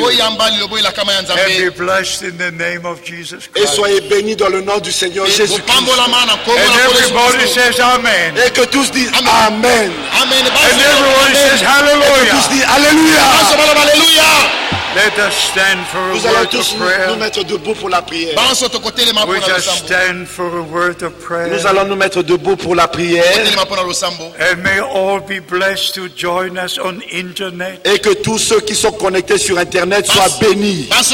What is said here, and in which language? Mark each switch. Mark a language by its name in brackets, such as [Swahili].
[English] And be blessed in the name of Jesus Christ. [French] Et soyez bénis dans le nom du Seigneur Jésus Christ. [English] And everybody says Amen. [French] Et que tous disent Amen. Amen. [English] And everyone says Hallelujah. [French] Et que tous disent Alléluia. [English] Let us stand for a word of prayer. [French] Nous mettre debout pour la prière. [English] We just stand for a word of prayer. [French] Nous allons nous mettre debout pour la prière. [English] And may all be blessed to join us on internet. [French] Et que tous ceux qui sont connectés sur internet soient bénis.